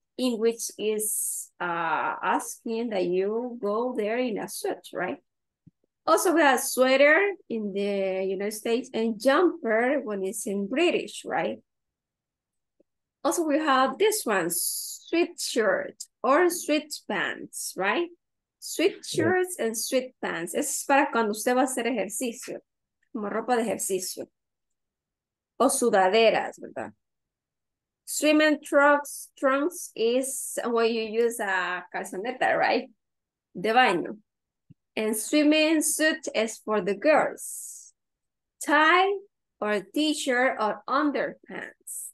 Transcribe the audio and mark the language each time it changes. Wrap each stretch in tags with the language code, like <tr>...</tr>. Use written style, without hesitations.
<en>In which is asking that you go there in a suit, right? Also, we have sweater in the United States and jumper when it's in British, right? Also, we have this one, sweatshirt or sweatpants, right? Sweatshirts and sweatpants.</en> <es>Es para cuando usted va a hacer ejercicio, como ropa de ejercicio. O sudaderas, ¿verdad?</es> <en>Swimming trunks is when you use a calzoneta, right?</en> <es>De baño.</es> <en>And swimming suit is for the girls. Tie or t-shirt or underpants.</en>